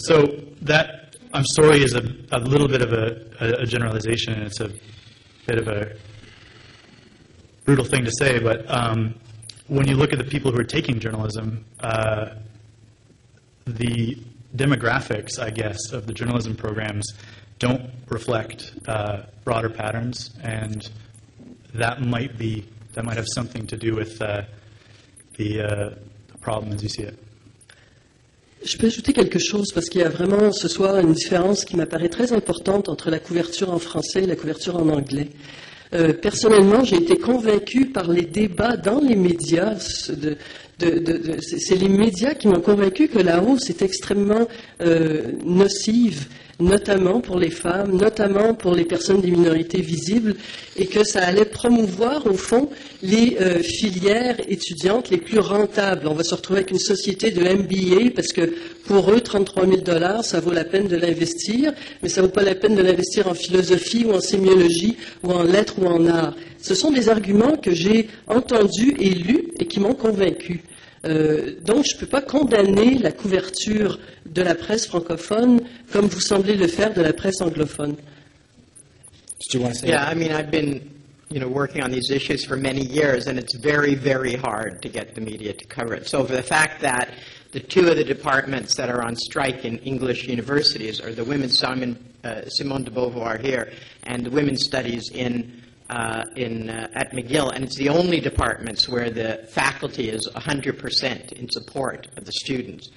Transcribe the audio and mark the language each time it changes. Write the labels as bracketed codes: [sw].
[en] So that, I'm sorry, is a little bit of a generalization, and it's a bit of a brutal thing to say, but when you look at the people who are taking journalism, the demographics, I guess, of the journalism programs don't reflect broader patterns, and that might have something to do with the problem as you see it. [fr] Je peux ajouter quelque chose parce qu'il y a vraiment ce soir une différence qui m'apparaît très importante entre la couverture en français et la couverture en anglais. Personnellement, j'ai été convaincue par les débats dans les médias. C'est les médias qui m'ont convaincue que la hausse est extrêmement nocive, notamment pour les femmes, notamment pour les personnes des minorités visibles, et que ça allait promouvoir, au fond, les filières étudiantes les plus rentables. On va se retrouver avec une société de MBA, parce que pour eux, 33 000 $, ça vaut la peine de l'investir, mais ça ne vaut pas la peine de l'investir en philosophie ou en sémiologie ou en lettres ou en arts. Ce sont des arguments que j'ai entendus et lus et qui m'ont convaincue. Donc, je ne peux pas condamner la couverture de la presse francophone comme vous semblez le faire de la presse anglophone. [en] Did you want to say that? I mean, I've been, you know, working on these issues for many years, and it's very, very hard to get the media to cover it. So for the fact that the two of the departments that are on strike in English universities are the women's, Simone de Beauvoir here, and the women's studies at McGill, and it's the only departments where the faculty is 100% in support of the students.